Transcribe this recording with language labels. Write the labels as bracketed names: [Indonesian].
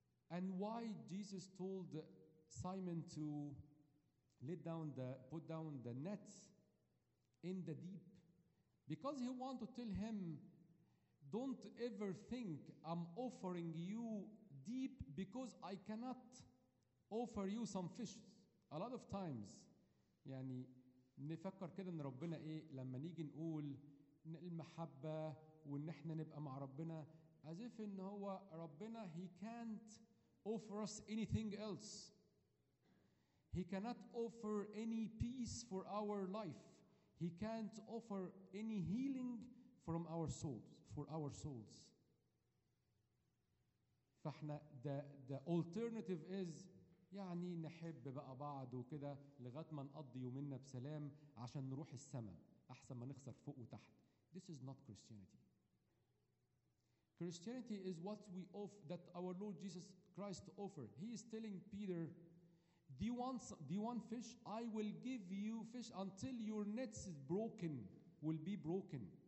[English] And why Jesus told Simon to put down the nets in the deep? Because he wanted to tell him, don't ever think I'm offering you deep because I cannot offer you some fishes. A lot of times, [Arabic] يعني نفكر كده ان ربنا ايه لما نيجي نقول المحبة وان احنا نبقى مع ربنا [English] as if [Arabic] ان هو ربنا [English] he can't offer us anything else. He cannot offer any peace for our life. He can't offer any healing from our souls, for our souls. [Arabic] فاحنا [English] the alternative is [Arabic] يعني نحب بقى بعض وكده لغايه ما نقضي يومنا بسلام عشان نروح السماء احسن ما نخسر فوق وتحت. [English] This is not Christianity. Christianity is what we offer, that our Lord Jesus Christ offered. He is telling Peter, do you want fish? I will give you fish until your nets is broken, will be broken.